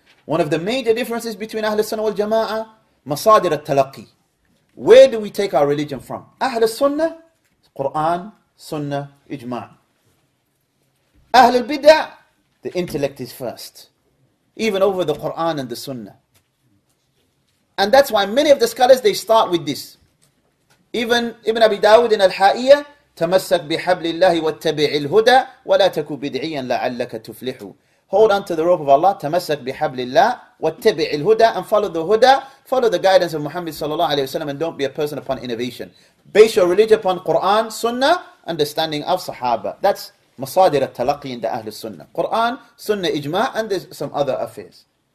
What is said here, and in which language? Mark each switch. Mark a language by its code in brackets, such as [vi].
[en] One of the major differences between Ahl Sunnah wal Jama'ah, masadir al-talaqi. Where do we take our religion from? Ahl Sunnah, [ar] قرآن سنة إجماع. أهل البدع [en] the intellect is first even over the Quran and the Sunnah, and that's why many of the scholars they start with this. Even Ibn Abi Dawud in Al-Ha'iyya [ar] تمسك بحبل الله واتبع الهدى ولا تكو بدعيا لعلك تفلح. [en] Hold on to the rope of Allah, [ar] تمسك بحبل الله واتبع الهدى, [en] and follow the huda, follow the guidance of Muhammad sallallahu alayhi wa sallam, and don't be a person upon innovation. Base your religion upon Quran, Sunnah, understanding of Sahaba. That's [ar] مصادر التلقي عند أهل السنة, [en] Quran, Sunnah, إجماع, and there's some other affairs.